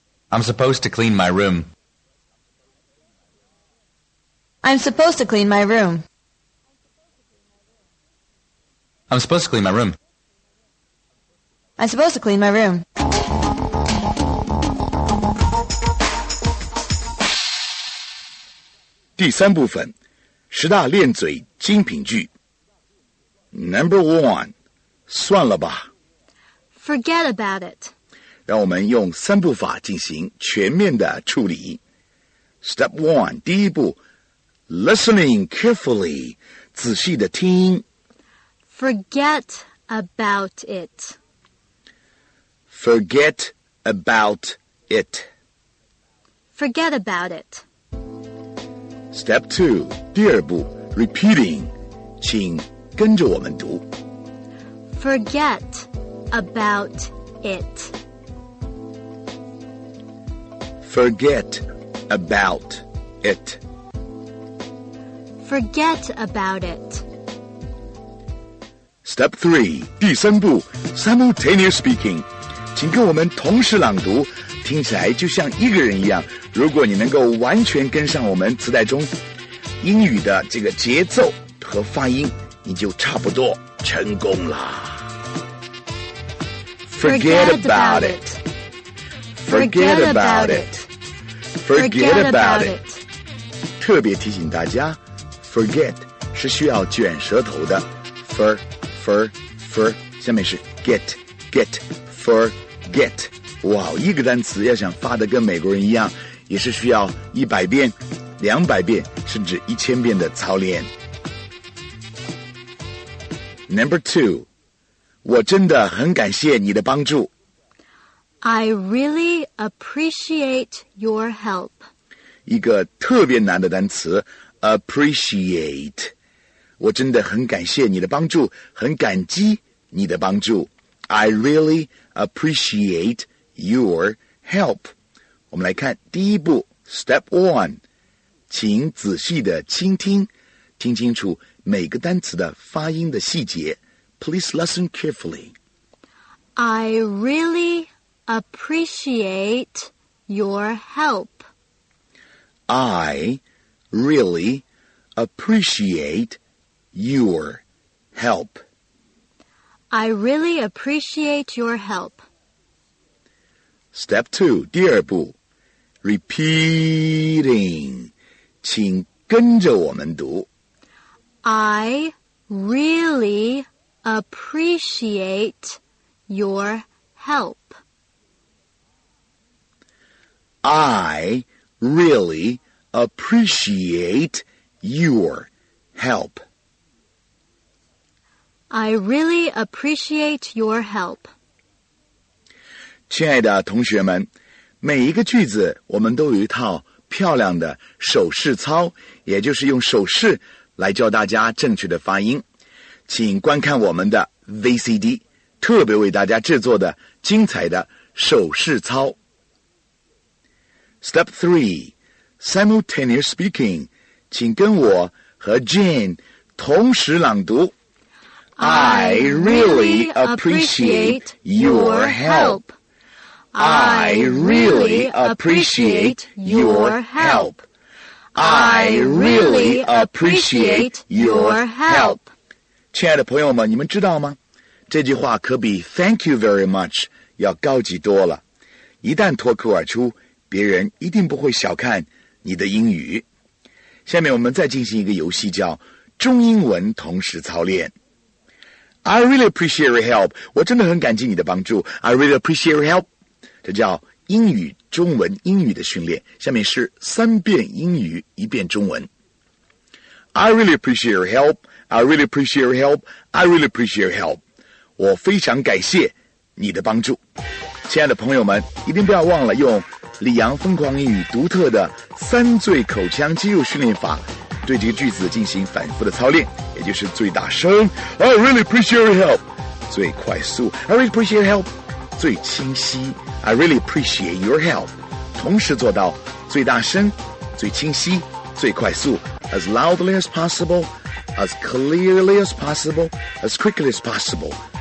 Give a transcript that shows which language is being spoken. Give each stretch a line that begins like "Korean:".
English: I'm supposed to clean my room. I'm supposed to clean my room. I'm supposed to clean my room. I'm supposed to clean my room. Clean my room.
Chinese: 第三部分，十大练嘴精品句。
English: Number one,
Chinese: 算了吧。
English: Forget about it.
Chinese: 让我们用三步法进行全面的处理。
English: Step one,
Chinese: 第一步 ,
English: listening carefully,
Chinese: 仔细的听。
English: Forget about it. Forget about it. Forget about it. Step two,
Chinese: 第二步 ,
English: repeating,
Chinese: 请跟着我们读。
English: Forget about it. Forget about it. Forget about it. Step 3,
Chinese: 第三步
English: simultaneous speaking.
Chinese: 请跟我们同时朗读，听起来就像一个人一样。如果你能够完全跟上我们磁带中英语的这个节奏和发音，你就差不多成功了。
English: Forget about it. Forget about it. Forget about it.
Chinese: 特别提醒大家 ，forget 是需要卷舌头的 ，
English: for for for，
Chinese: 下面是
English: get get for get。
Chinese: 哇，一个单词要想发得跟美国人一样，也是需要100遍、200遍，甚至1000遍的操练。
English: Number two，
Chinese: 我真的很感谢你的帮助。
English: I really appreciate your help.
Chinese: 一个特别难的单词 appreciate. 我真的很感谢你的帮助，很感激你的帮助。
English: I really appreciate your help.
Chinese: 我们来看第一步 ,
English: step one.
Chinese: 请仔细的倾听，听清楚每个单词的发音的细节。
English: Please listen carefully. I really... Appreciate your help. I really appreciate your help. I really appreciate your help. Step two,
Chinese: 第二步
English: repeating,
Chinese: 请跟着我们读。
English: I really appreciate your help. I really appreciate your help. I really appreciate your help.
Chinese: 亲爱的同学们，每一个句子我们都有一套漂亮的手势操，也就是用手势来教大家正确的发音。请观看我们的 VCD， 特别为大家制作的精彩的手势操。
English: Step 3 Simultaneous Speaking，
Chinese: 请跟我和 Jane 同时朗读。
English: I really appreciate your help. I really appreciate your help. I really appreciate your help.
Chinese: 亲爱的朋友们，你们知道吗？这句话可比
English: thank you very much
Chinese: 要高级多了。一旦脱口而出，别人一定不会小看你的英语。下面我们再进行一个游戏，叫中英文同时操练。
English: I really appreciate your help.
Chinese: 我真的很感激你的帮助。
English: I really appreciate your help.
Chinese: 这叫英语中文英语的训练。下面是三遍英语一遍中文。
English: I really appreciate your help. I really appreciate your help. I really appreciate your help.
Chinese: 我非常感谢你的帮助。亲爱的朋友们，一定不要忘了用李阳疯狂英语独特的三最口腔肌肉训练法对这个句子进行反复的操练，也就是最大声
English: I really appreciate your help，
Chinese: 最快速 I really appreciate your help， 最清晰 I really appreciate your help， 同时做到最大声、最清晰、最快速
English: as loudly as possible，
Chinese: as clearly as possible， as quickly as possible。